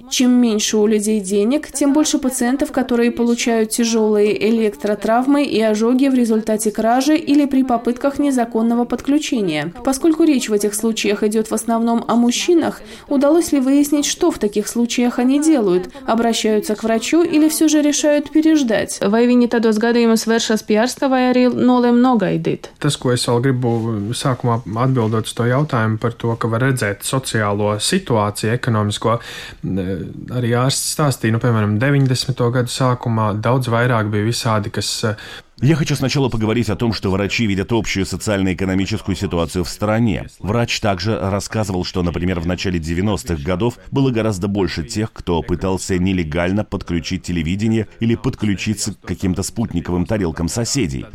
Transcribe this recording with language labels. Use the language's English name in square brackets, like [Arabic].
[Russian] Чем меньше у людей денег, тем больше пациентов, которые получают тяжелые электротравмы и ожоги в результате кражи или при попытках незаконного подключения. Поскольку речь в этих случаях идет в основном о мужчинах, удалось ли выяснить, что в таких случаях они делают? Обращаются к врачу или все же решают переждать? [Latvian] Vai viņi tādos gadījumos vēršas pie ārsta vai arī nolēm nogaidīt? Tas, ko es vēl gribu sākumā atbildot uz to jautājumu par to, ka var redzēt sociālo situāciju ekonomisko, arī ārsts stāstīja, nu, piemēram, 90. Gadu sākumā daudz vairāk bija visādi, kas... [Russian] Я хочу сначала поговорить о том, что врачи видят общую социально-экономическую ситуацию в стране. Врач также рассказывал, что, например, в начале 90-х годов было гораздо больше тех, кто пытался нелегально подключить телевидение или подключиться к каким-то спутниковым тарелкам соседей.